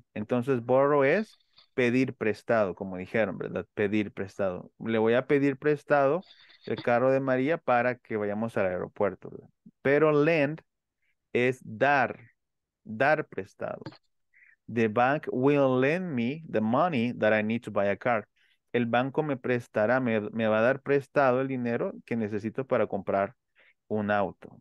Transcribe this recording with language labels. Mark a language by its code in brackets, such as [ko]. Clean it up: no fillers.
[es] Entonces, borrow es pedir prestado, como dijeron, ¿verdad? Pedir prestado. Le voy a pedir prestado el carro de María para que vayamos al aeropuerto, ¿verdad? Pero lend es dar, dar prestado. [en] The bank will lend me the money that I need to buy a car. [es] El banco me prestará, me va a dar prestado el dinero que necesito para comprar un auto.